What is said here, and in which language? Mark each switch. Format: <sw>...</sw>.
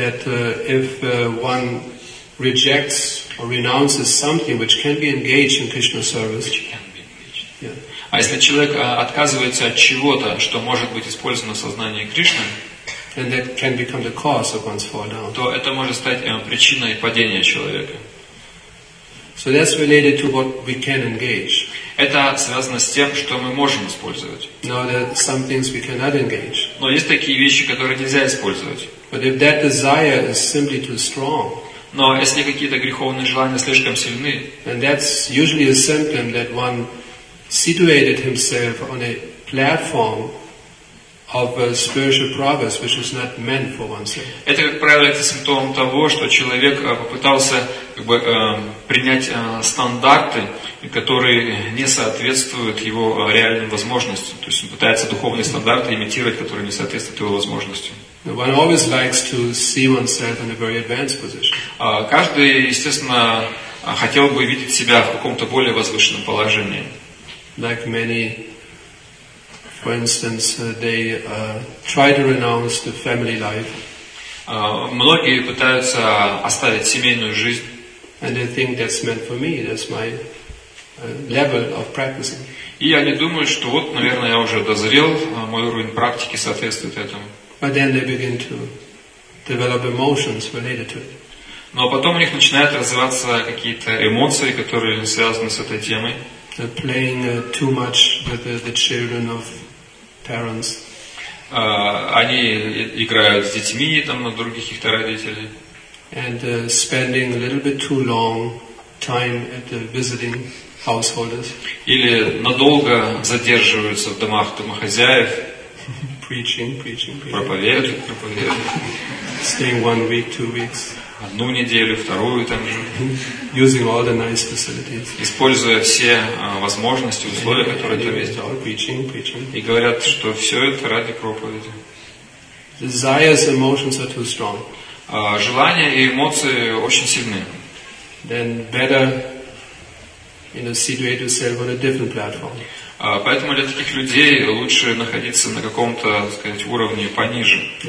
<en>If one rejects or renounces something which can be engaged in Krishna service,</en> <ru>А если человек отказывается от чего-то, что может быть использовано в сознании Кришны,</ru> <en>and that can become the cause of one's fall down.</en> <ru>То это может стать причиной падения человека.</ru> <en>So that's related to what we can engage.</en> <ru>Это связано с тем, что мы можем использовать.</ru> <en>Now there are some things we cannot engage.</en> <ru>Но есть такие вещи, которые нельзя использовать.</ru> <en>But if that desire is simply too strong.</en> <ru>Но если какие-то греховные желания слишком сильны.</ru> <en>And that's usually a symptom that one situated himself on a platform of spiritual progress, which is not meant for oneself.</en> <ru>Это, как правило, это симптом того, что человек попытался как бы принять стандарты, которые не соответствуют его реальным возможностям. То есть он пытается духовные стандарты имитировать, которые не соответствуют его возможностям.</ru> <en>One always likes to see oneself in a very advanced position.</en> <ru>Каждый, естественно, хотел бы видеть себя в каком-то более возвышенном положении.</ru> <en>Like many. For instance, they try to renounce the family life.</en> <ru>Многие пытаются оставить семейную жизнь.</ru> <en>And they think that's meant for me. That's my level of practicing.</en> <ru>И они думают, что вот, наверное, я уже дозрел, мой уровень практики соответствует этому.</ru> <en>But then they begin to develop emotions related to it.</en> <ru>Но потом у них начинают развиваться какие-то эмоции, которые связаны с этой темой.</ru> <en>They're playing too much with the children of parents.</en> <ru>Они играют с детьми там на других их родителей.</ru> <en>And spending a little bit too long time at the visiting householders.</en> <ru>Или надолго задерживаются в домах домохозяев.</ru> <en>Preaching.</en> <ru>Проповедуют.</ru> <en>Staying 1 week, 2 weeks.</en> <ru>Одну неделю, вторую там же.</ru> <en>Using all the nice facilities.</en> <ru>Используя все возможности, условия, которые там есть.</ru> <en>Preaching.</en> <ru>И говорят, что все это ради проповеди.</ru> <en>Desires, emotions are too strong.</en> <ru>Желания и эмоции очень сильны.</ru> <en>Then better, you know, situate yourself on a different platform.</en> <ru>Поэтому для таких людей лучше находиться на каком-то, так сказать, уровне пониже.</ru>